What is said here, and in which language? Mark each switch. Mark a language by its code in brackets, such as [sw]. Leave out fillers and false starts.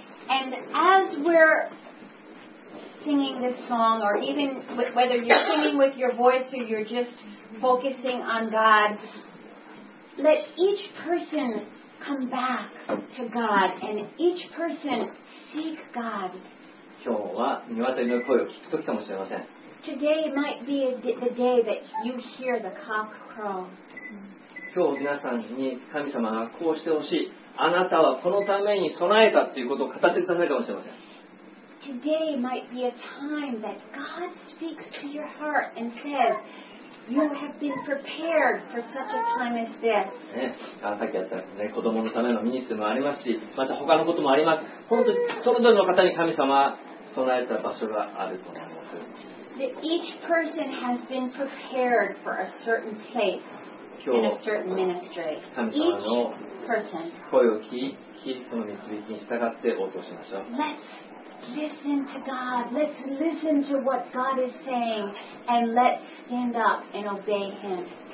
[en] And as we're singing this song or even whether you're singing with your voice or you're just focusing on God let each personCome back to God and each person seek God. [ja] 今日は鶏の声を聞く時かもしれません。 [en] Today might be the day that you hear the cock crow. [ja] 今日皆さんに神様がこうしてほしい。あなたはこのために備えたということを語ってくださるかもしれません。 [en] Today might be a time that God speaks to your heart and says, You have been prepared for such a time as this. [ja] ね、さっきあった、ね、子供のためのミニスもありますし、また他のこともあります。本当にそれぞれの方に神様備えた場所があると思います。 [en] That each person has been prepared for a certain place in a certain ministry. Each person. [ja] 声を聞き、その導きに従って応答しましょう。 [en] Listen to God. Let's listen to what God is saying and let's stand up and obey Him.